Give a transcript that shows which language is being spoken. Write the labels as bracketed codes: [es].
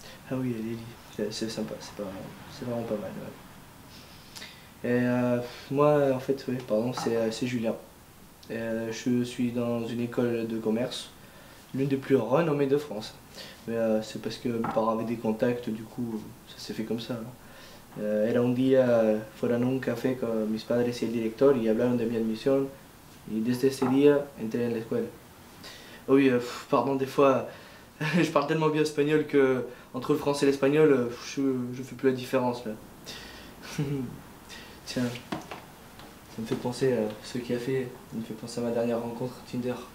[fr] Ah oui, Lily. C'est sympa, c'est vraiment pas mal. Ouais. Et moi, en fait, oui, pardon, c'est Julien. Et je suis dans une école de commerce, l'une des plus renommées de France. Mais c'est parce que mes parents avaient des contacts, du coup, ça s'est fait comme ça. [es] Era un día, fueron un café con mis padres y el director, y hablaron de mi admisión, y desde ese día, entré en la escuela. [fr] Oui, pardon, des fois, je parle tellement bien espagnol que, entre le français et l'espagnol, je fais plus la différence, là. Tiens, ça me fait penser à ce qu'il a fait, ça me fait penser à ma dernière rencontre Tinder.